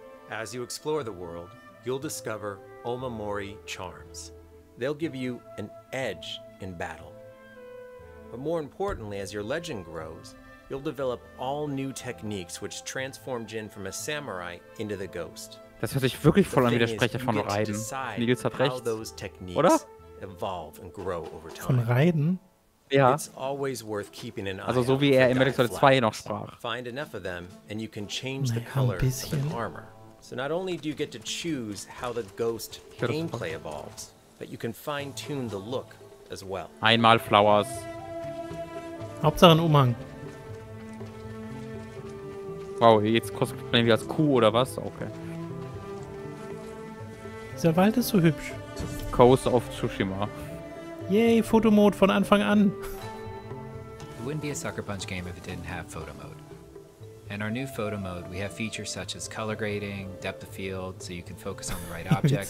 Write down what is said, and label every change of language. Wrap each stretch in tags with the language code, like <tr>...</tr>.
<en>As you explore the world, you'll discover Omamori charms. They'll give you an edge in battle. But more importantly, as your legend grows, you'll develop all new techniques which transform Jin from a samurai into the ghost.</en> <de>Das hört sich wirklich voll an wie der Sprecher von Raiden. Nils hat recht. Oder?</de> <en>Evolve and grow over time.</en> <de>Von Raiden? Ja.</de> <en>It's always worth keeping an eye.</en> <de>Also so wie er in Metal Solid 2 noch sprach.</de> <en>Find enough of them and you can change the color of the armor. So not only do you get to choose how the ghost gameplay evolves, but you can fine tune the look as well.</en> <de>Einmal Flowers. Hauptsache ein Umhang. Wow, jetzt kostet wir als Kuh oder was? Okay. Dieser Wald ist so hübsch.</de> <en>Coast of Tsushima.</en> <de>Yay, Fotomode von Anfang an.</de> <en>It wouldn't be a Sucker Punch game if it didn't have photo mode. In our new photo mode, we have features such as color grading, depth of field, so you can focus on the right objects.</en>